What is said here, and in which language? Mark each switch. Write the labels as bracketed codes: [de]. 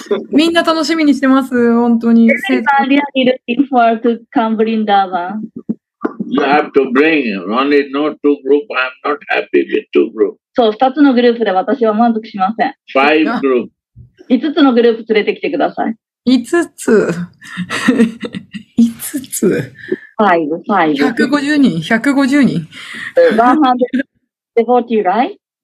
[ja] みんな楽しみにしてます、本当に。 [en] Everybody is looking forward to come Vrindavan. You have to bring only no two group, I'm not happy with two group. [ja] そう、2つのグループで私は満足しません。 [en] Five group. [ja] 5つのグループ連れてきてください。 5つ。 [en] 150人。140, right?